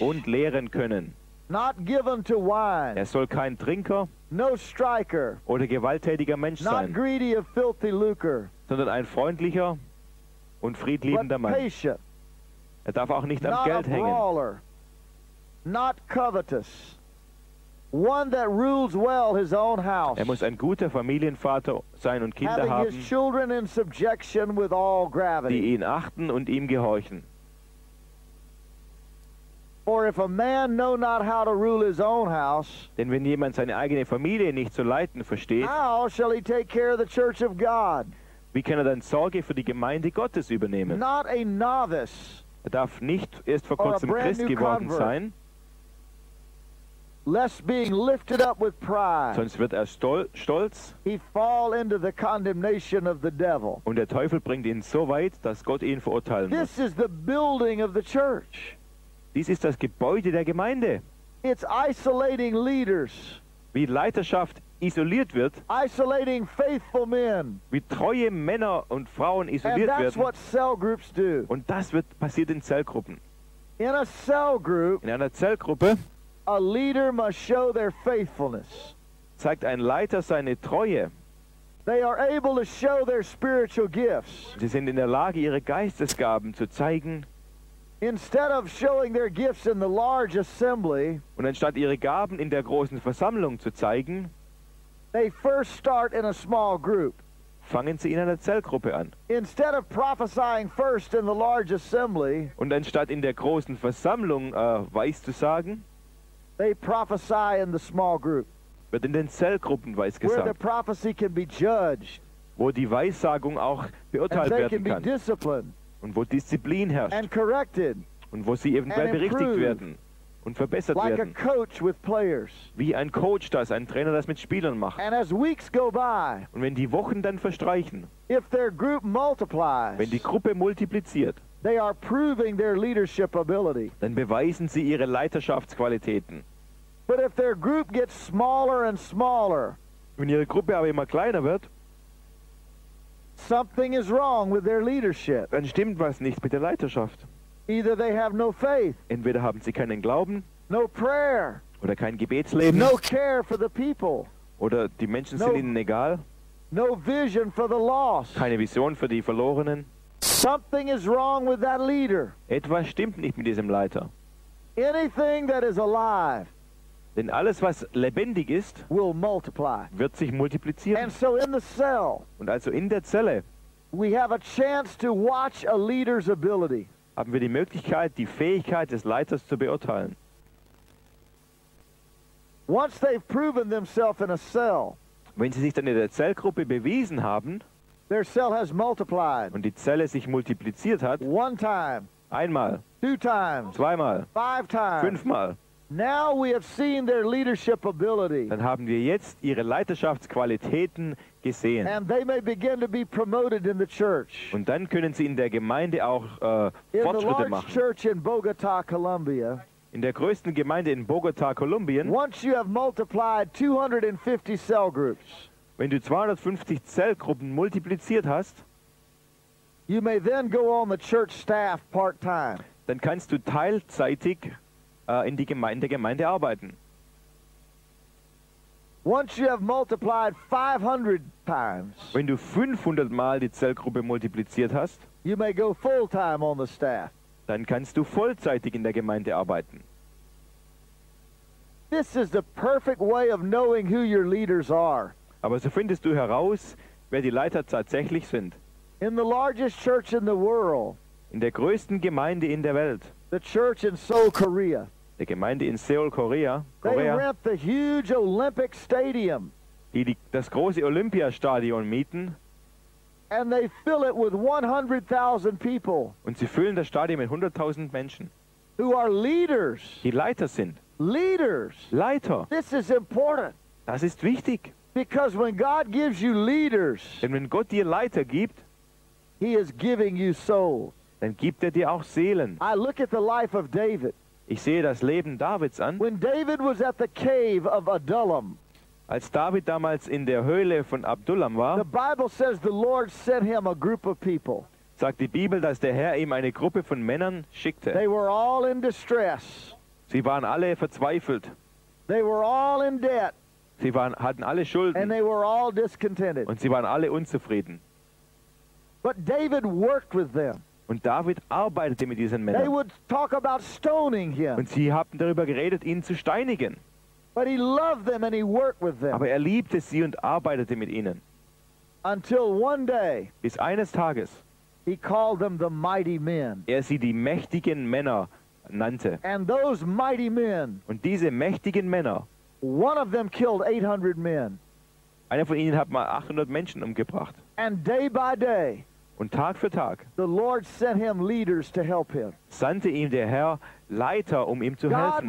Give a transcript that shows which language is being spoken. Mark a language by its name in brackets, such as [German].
[German] und lehren können. [English] Not given to wine, [German] er soll kein Trinker [English] no striker, [German] oder gewalttätiger Mensch [English] not [German] sein, [English] greedy of filthy lucre, [German] sondern ein freundlicher und friedliebender [English] but patient, [German] Mann. Er darf auch nicht am Geld [English] a brawler, [German] hängen. [English] Not covetous. One that rules well his own house. [German] Er muss ein guter Familienvater sein und Kinder [English] having [German] haben, [English] his children in subjection with all gravity, [German] die ihn achten und ihm gehorchen. [English] Or if a man know not how to rule his own house, [German] denn wenn jemand seine eigene Familie nicht zu leiten versteht, [English] how shall he take care of the church of God? [German] Wie kann dann Sorge für die Gemeinde Gottes übernehmen? [English] Not a novice. [German] Er darf nicht erst vor kurzem Christ geworden sein. [English] Lest being lifted up with pride. [German] Sonst wird er stolz. [English] He fall into the condemnation of the devil. [German] Und der Teufel bringt ihn so weit, dass Gott ihn verurteilen [English] this This is the building of the church. [German] Dies ist das Gebäude der Gemeinde. [English] It's isolating leaders. [German] Wie Leiterschaft isoliert wird. [English] Isolating faithful men. [German] Wie treue Männer und Frauen isoliert [English] and that's [German] werden. [English] What cell groups do. [German] Und das wird passiert in Zellgruppen. [English] In a cell group. [German] In einer Zellgruppe. [English] A leader must show their faithfulness. [German] Zeigt ein Leiter seine Treue. [English] They are able to show their spiritual gifts. [German] Sie sind in der Lage, ihre Geistesgaben zu zeigen. [English] Instead of showing their gifts in the large assembly, [German] und anstatt ihre Gaben in der großen Versammlung zu zeigen, [English] they first start in a small group. [German] Fangen sie in einer Zellgruppe an. [English] Instead of prophesying first in the large assembly, [German] und anstatt in der großen Versammlung weiszusagen, [English] they prophesy in the small group. [German] Wird in den Zellgruppen weisgesagt. [English] Where the prophecy can be judged. [German] Wo die Weissagung auch beurteilt werden kann. [English] And they can be disciplined. [German] Und wo Disziplin herrscht. [English] And corrected. [German] Und wo sie eben berichtigt werden. Und verbessert [English] like [German] werden. [English] A coach with players. [German] Wie ein Coach das, ein Trainer das mit Spielern macht. [English] And as weeks go by, [German] und wenn die Wochen dann verstreichen. [English] If their group multiplies, [German] wenn die Gruppe multipliziert. [English] They are proving their leadership ability. [German] Dann beweisen sie ihre Leiterschaftsqualitäten. [English] But if their group gets smaller and smaller, [German] wenn ihre Gruppe aber immer kleiner wird, [English] something is wrong with their leadership. [German] Dann stimmt was nicht mit der Leiterschaft. [English] Either they have no faith, [German] entweder haben sie keinen Glauben, [English] no prayer, [German] oder kein Gebetsleben, [English] no care for the people, [German] oder die Menschen sind ihnen egal, [English] no vision for the lost, [German] keine Vision für die Verlorenen. [English] Something is wrong with that leader. [German] Etwas stimmt nicht mit diesem Leiter. [English] Anything that is alive, [German] denn alles was lebendig ist, [English] will multiply, [German] wird sich multiplizieren. [English] And so in the cell, [German] und also in der Zelle, [English] we have a chance to watch a leader's ability, [German] haben wir die Möglichkeit, die Fähigkeit des Leiters zu beurteilen. [English] Once they've proven themselves in a cell, [German] wenn sie sich dann in der Zellgruppe bewiesen haben, [English] their cell has multiplied. [German] Und die Zelle sich multipliziert hat. [English] One time. [German] Einmal. [English] Two times. [German] Zweimal. [English] Five times. [German] Fünfmal. [English] Now we have seen their leadership ability. [German] Dann haben wir jetzt ihre Leiterschaftsqualitäten gesehen. [English] And they may begin to be promoted in the church. [German] Und dann können sie in der Gemeinde auch Fortschritte machen. [English] In the large church in Bogota, Colombia. [German] In der größten Gemeinde in Bogota, Kolumbien. [English] Once you have multiplied 250 cell groups. [German] Wenn du 250 Zellgruppen multipliziert hast, [English] you may then go on the church staff part-time. [German] Dann kannst du teilzeitig in die Gemeinde arbeiten. [English] Once you have multiplied 500 times, [German] wenn du 500 Mal die Zellgruppe multipliziert hast, [English] you may go full-time on the staff. [German] Dann kannst du vollzeitig in der Gemeinde arbeiten. [English] This is the perfect way of knowing who your leaders are. [German] Aber so findest du heraus, wer die Leiter tatsächlich sind. [English] In the largest church in the world, [German] in der größten Gemeinde in der Welt, [English] the church in Seoul, Korea, [German] der Gemeinde in Seoul, Korea, [English] they rent the huge Olympic stadium, [German] die das große Olympiastadion mieten, [English] and they fill it with 100,000 people, [German] und sie füllen das Stadion mit 100,000 Menschen, [English] who are leaders, [German] die Leiter sind. [English] Leaders. [German] Leiter. [English] This is important. [German] Das ist wichtig. [English] Because when God gives you leaders, [German] denn wenn Gott dir Leiter gibt, [English] he is giving you souls. [German] Dann gibt er dir auch Seelen. [English] I look at the life of David. [German] Ich sehe das Leben Davids an. [English] When David was at the cave of Adullam, [German] als David damals in der Höhle von Adullam war, [English] the Bible says the Lord sent him a group of people. [German] Sagt die Bibel, dass der Herr ihm eine Gruppe von Männern schickte. [English] They were all in distress. [German] Sie waren alle verzweifelt. [English] They were all in debt. [German] Sie hatten alle Schulden. [English] And they were all discontented. [German] Und sie waren alle unzufrieden. [English] But David worked with them. [German] Und David arbeitete mit diesen Männern. [English] They would talk about stoning him. [German] Und sie haben darüber geredet, ihn zu steinigen. [English] But he loved them and he worked with them. [German] Aber er liebte sie und arbeitete mit ihnen. [English] Until one day, [German] bis eines Tages, [English] he called them the mighty men. [German] Er sie die mächtigen Männer nannte. [English] And those mighty men, [German] und diese mächtigen Männer, [English] one of them killed 800 men. [German] Einer von ihnen hat mal 800 Menschen umgebracht. [English] And day by day, [German] und Tag für Tag, [English] the Lord sent him leaders to help him. [German] Sandte ihm der Herr Leiter, um ihm zu helfen.